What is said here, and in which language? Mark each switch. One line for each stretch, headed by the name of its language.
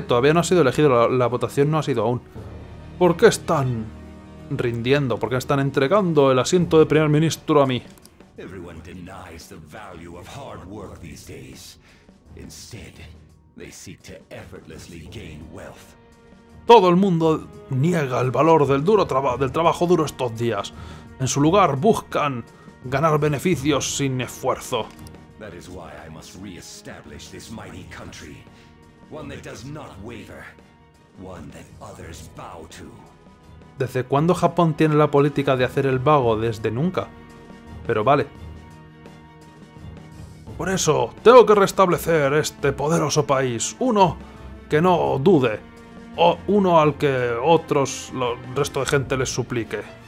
Spanish: Todavía no ha sido elegido, la votación no ha sido aún. ¿Por qué están rindiendo? ¿Por qué están entregando el asiento de primer ministro a mí?
English: Everyone denies the value of hard work these days. Instead, they seek to effortlessly gain wealth.
Spanish: Todo el mundo niega el valor del trabajo duro estos días. En su lugar, buscan ganar beneficios sin esfuerzo.
English: That is why I must re-establish this mighty country. One that does not waver. One that others bow to.
Spanish: ¿Desde cuándo Japón tiene la política de hacer el vago? Desde nunca. Pero vale. Por eso, tengo que restablecer este poderoso país. Uno que no dude. O uno al que otros, el resto de gente les suplique.